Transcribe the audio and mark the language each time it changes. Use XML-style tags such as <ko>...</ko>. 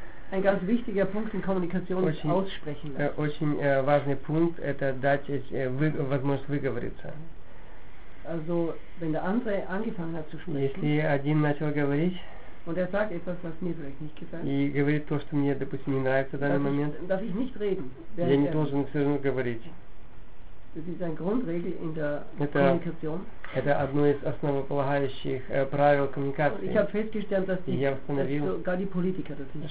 <de>Ein ganz wichtiger Punkt in Kommunikation ist aussprechen lassen.</de> <ru>Очень важный пункт – это дать возможность выговориться.</ru> <de>Also, wenn der andere angefangen hat zu sprechen,</de> <ru>если один начал говорить,</ru> <de>und er sagt etwas, was mir vielleicht nicht gefällt,</de> <ru>и говорит то, что мне, допустим, не нравится в данный момент,</ru> <de>darf ich nicht reden,</de> <ru>я не должен все равно говорить.</ru> <de>Das ist eine Grundregel in der Kommunikation.</de> <ru>Это одно из основополагающих правил коммуникации.</ru> <de>Ich habe festgestellt, dass die,</de> <ru>я установил,</ru> <de>dass sogar die Politiker das nicht</de>